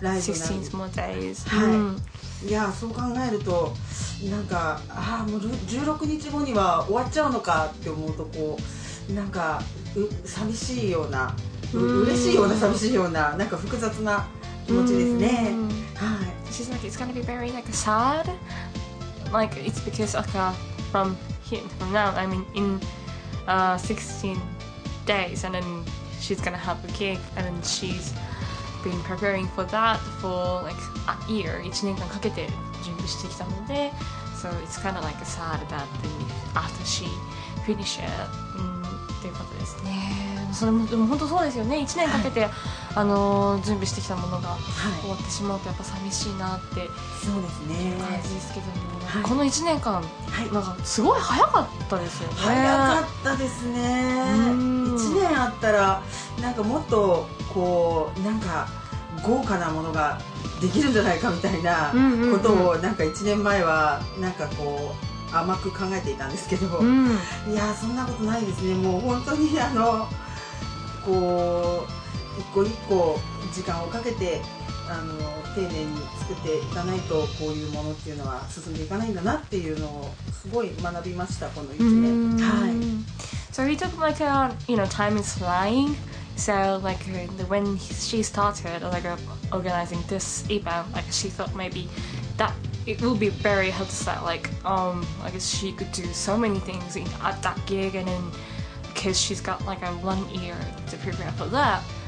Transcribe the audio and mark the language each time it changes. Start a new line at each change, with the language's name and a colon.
Japanese: ライブなんで。
English: 16 more days。
Japanese: はい。うん、いやそう考えるとなんかあもう16日後には終わっちゃうのかって思うとこうなんか寂しいような嬉しいような寂しいようななんか複雑な気持ちですね。はい。
English: She's like it's gonna be very like sad. Like it's because like from here from now I mean in 16 days and then she's gonna have a gig and then she'sBeen preparing for that for like a year,
Japanese: 1年間かけて準備してきたので
English: So it's kind of like sad that after she finish it、
Japanese: っていうことですね。それもでも本当そうですよね。1年かけて、はい、準備してきたものが終わってしまうとやっぱ寂しいなって、はい、そうですね感じですけども、はい、この1年間、はい、なんかすごい早かったですよね。早かったですね。 1年あったらなんかもっとこうなんか豪華なものができるんじゃないかみたいなことを、うんうんうん、なんか1年前はなんかこう甘く考えていたんですけど、うん、いやそんなことないですね。もう本当にこう一個一個時間をかけて丁寧に作っていかないとこういうものっていうのは進んでいかないんだなっていうのをすごい学びましたこの1年。
English: はい。 So we took like a, you know, time is flying. So like when she started like organizing this event, like she thought maybe that it will be very hard to start. Like I guess she could do so many things in, at that gig, and then because she's got like a 1 year to prepare for that.